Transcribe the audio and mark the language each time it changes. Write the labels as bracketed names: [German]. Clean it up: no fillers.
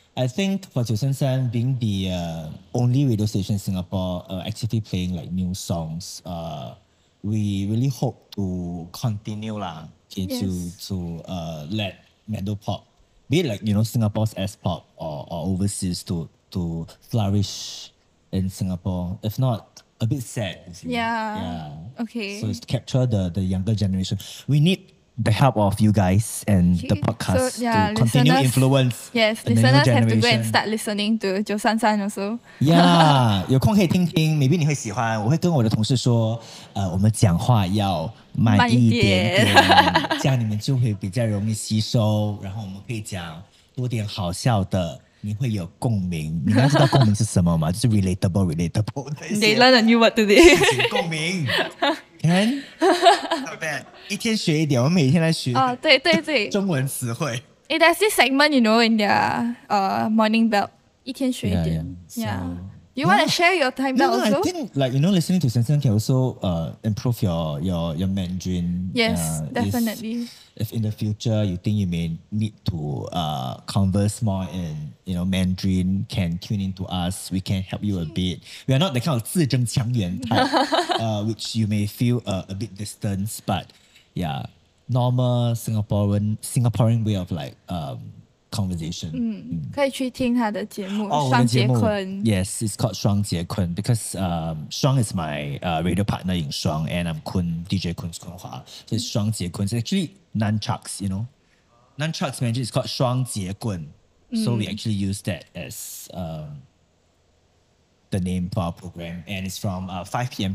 [English] I think for Jason San, being the only radio station in Singapore actively playing like new songs, we really hope to continue let Mandopop, be it like, you know, Singapore's S-pop or overseas to flourish in Singapore. If not, a bit sad. Okay. So it's to capture the younger generation. We need the help of you guys and the podcast to continue influence. Yes, the listeners new generation. Have to go and start listening to 93.3 also. [Chinese] Yeah, 有空可以听听, maybe 你会喜欢。我会跟我的同事说，我们讲话要慢一点，这样你们就会比较容易吸收，然后我们可以讲多点好笑的。你会有共鸣, 你刚刚知道共鸣是什么吗? [English] 就是 relatable, relatable. They learn a new word today. 共鸣, can? Not bad. [Chinese] 一天学一点, 我们每天来学, 对对对, 中文词汇. [English] Hey, there's this segment, you know, in their morning belt. [Chinese] 一天学一点. [English] Yeah. Do you want to share your time belt also? No, I think, like, you know, listening to Sensen can also improve your Mandarin. Yes, definitely. If in the future you think you may need to converse more in, you know, Mandarin, can tune in to us. We can help you a bit. We are not the kind of 自证强言 type, which you may feel a bit distanced. But yeah, normal Singaporean way of like conversation. [Chinese] 可以去听他的节目, 双杰坤. [English] Yes, it's called 双杰坤. Because Shuang is my radio partner in Shuang, and I'm Kun, DJ Kun's Kun Hua. So it's 双杰坤.It's actually nunchucks, you know. Nunchucks Mandarin is called 双杰棍. So we actually use that as the name for our program, and it's from 5 p.m.